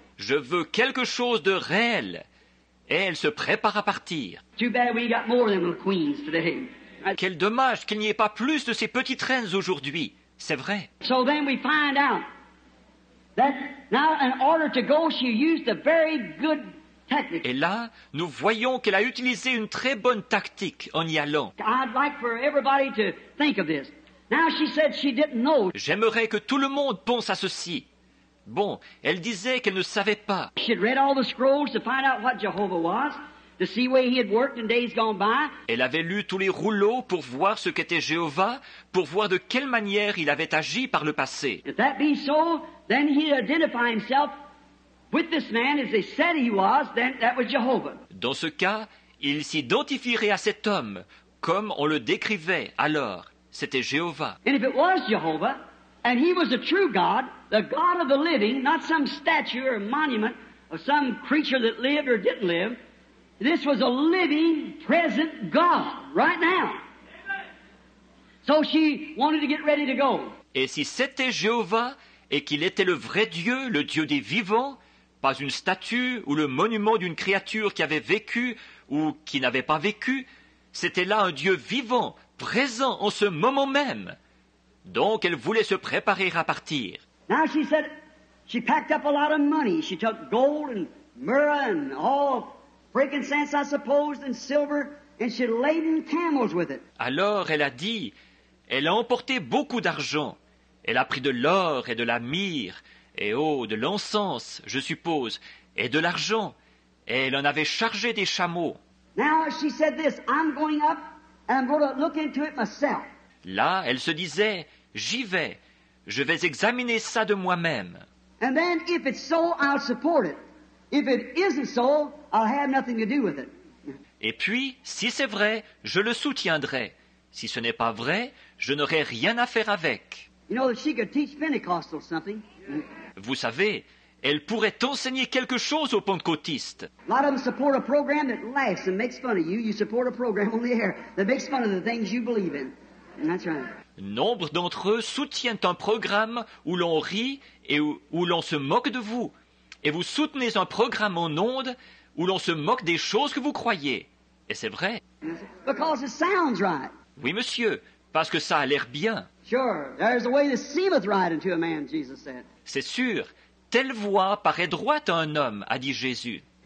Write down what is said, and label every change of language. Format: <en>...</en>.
<fr>Je veux quelque chose de réel. Et elle se prépare à partir.</fr> <en>Too bad we got more than the queens today.</en> <fr>Quel dommage qu'il n'y ait pas plus de ces petites reines aujourd'hui. C'est vrai.</fr> <en>So then we find out that now in order to go, she used a very good tactic.</en> <fr>Et là, nous voyons qu'elle a utilisé une très bonne tactique en y allant.</fr> <en>I'd like for everybody to think of this. Now she said she didn't know.</en> <fr>J'aimerais que tout le monde pense à ceci. Bon, elle disait qu'elle ne savait pas.</fr> <en>She had read all the scrolls to find out what Jehovah was, to see where he had worked in days gone by.</en> <fr>Elle avait lu tous les rouleaux pour voir ce qu'était Jéhovah, pour voir de quelle manière il avait agi par le passé.</fr> <en>If that be so, then he identified himself with this man as they said he was, then that was Jehovah.</en> <fr>Dans ce cas, il s'identifierait à cet homme comme on le décrivait alors. C'était Jéhovah.</fr> <en>And if it was Jehovah, and he was a true God, the God of the living, not some statue or monument of some creature that lived or didn't live, this was a living, present God, right now. So she wanted to get ready to go.</en> <fr>Et si c'était Jéhovah, et qu'il était le vrai Dieu, le Dieu des vivants, pas une statue ou le monument d'une créature qui avait vécu ou qui n'avait pas vécu, c'était là un Dieu vivant, présent en ce moment même. Donc elle voulait se préparer à partir.</fr> <en>Now she said she packed up a lot of money. She took gold and myrrh and all frankincense, I suppose, and silver, and she laden camels with it.</en> <fr>Alors elle a dit, elle a emporté beaucoup d'argent. Elle a pris de l'or et de la myrrhe, et oh, de l'encens, je suppose, et de l'argent. Et elle en avait chargé des chameaux.</fr> <en>Now she said this, I'm going up. I'm going to look into it myself.</en> <fr>Là, elle se disait, j'y vais, je vais examiner ça de moi-même.</fr> <en>And then, if it's so, I'll support it. If it isn't so, I'll have nothing to do with it.</en> <fr>Et puis, si c'est vrai, je le soutiendrai. Si ce n'est pas vrai, je n'aurai rien à faire avec.</fr> <en>You know, if she could teach Pentecostals something.</en> <fr>Vous savez, elle pourrait enseigner quelque chose aux pentecôtistes.</fr> <en>A lot of them support a program that laughs and makes fun of you. You support a program on the air that makes fun of the things you believe in. And that's right.</en> <fr>Nombre d'entre eux soutiennent un programme où l'on rit et où l'on se moque de vous. Et vous soutenez un programme en ondes où l'on se moque des choses que vous croyez. Et c'est vrai.</fr> <en>Because it sounds right.</en> <fr>Oui, monsieur, parce que ça a l'air bien.</fr> <en>Sure, there's a way that seemeth right unto a man, Jesus said.</en> <fr>C'est sûr. Telle voix paraît droite à un homme, a dit Jésus.</fr>